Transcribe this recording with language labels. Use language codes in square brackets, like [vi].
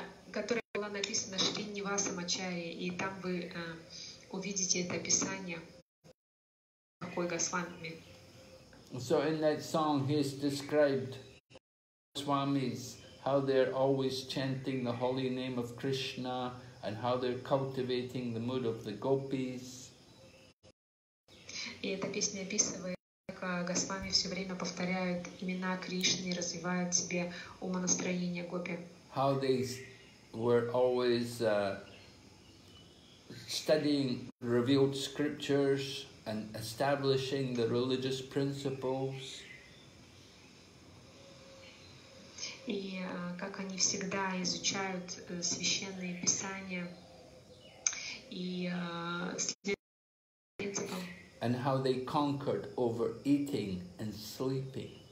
[ru] Которая была написана Шринивасом Ачария, и там вы увидите это описание, какой Госвами. [en] So in that song he's described Госвамис, how they're always chanting the holy name of Krishna and how they're cultivating the mood of the gopis. [ru] И эта песня описывает, как Госвами все время повторяют имена Кришны и развивают в себе умонастроение гопи. [en] How they were always studying revealed scriptures and establishing the religious principles. [ru] И как они всегда изучают священные писания и следуют принципам. [en] And how they conquered over eating and sleeping.